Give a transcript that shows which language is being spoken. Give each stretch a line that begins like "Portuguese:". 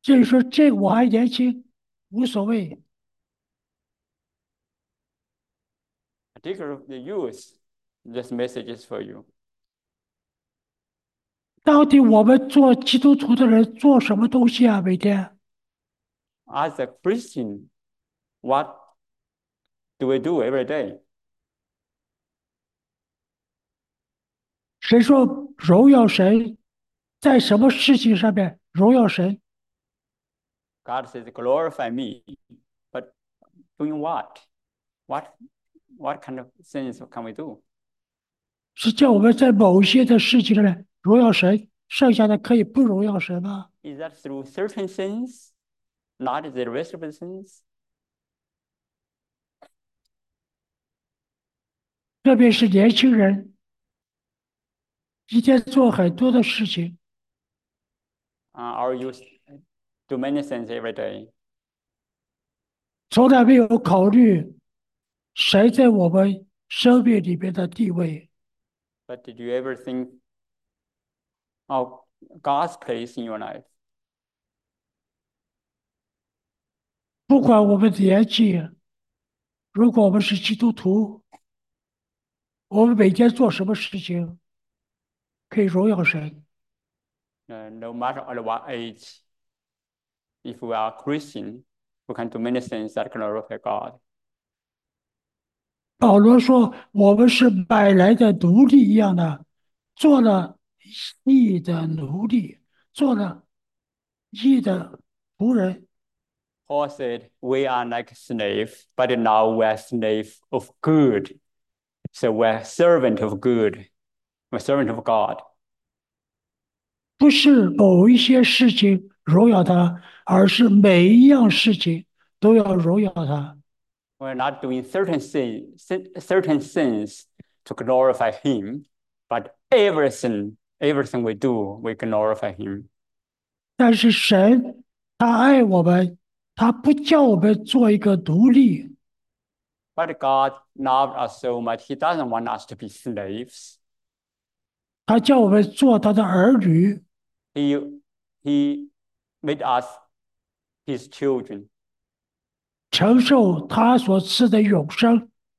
Chinese: 特别是年轻人，就是说这我还年轻，无所谓。
English: Take the youth, this message is for you.
Chinese: 到底我们做基督徒的人做什么东西啊，每天？
English: As a Christian, what do we do every day?
Chinese: 谁说荣耀神，在什么事情上面荣耀神？
English: God says, glorify me, but doing what? What kind of things can we do?
Chinese: 是叫我们在某些的事情上面荣耀神。剩下的可以不荣耀神呢？
English: Is that through certain sins, not the rest of the sins?
Chinese: 特别是年轻人，一天做很多的事情，
English: Are you do many things every day?
Chinese: 从来没有考虑谁在我们生命里边的地位。
English: But did you ever think of God's place in your life?
Chinese: 不管我们的年纪，如果我们是基督徒，我们每天做什么事情可以荣耀神？
English: No matter at what age, if we are Christian, we can do many things that glorify God.
Chinese: 保罗说：“我们是买来的奴隶一样的，做了义的奴隶，做了义的仆人。”
English: Paul said, "We are like slaves, but now we are slaves of good. So we are servant of good. We are servant of God."
Chinese: 不是某一些事情荣耀他，而是每一样事情都要荣耀他。
English: We're not doing certain things to glorify him, but everything we do, we glorify him.
Chinese: 但是神他爱我们，他不叫我们做一个奴隶。
English: But God loved us so much, he doesn't want us to be slaves.
Chinese: 他叫我们做他的儿女。
English: He made us his children.
Chinese: 承受他所赐的永生，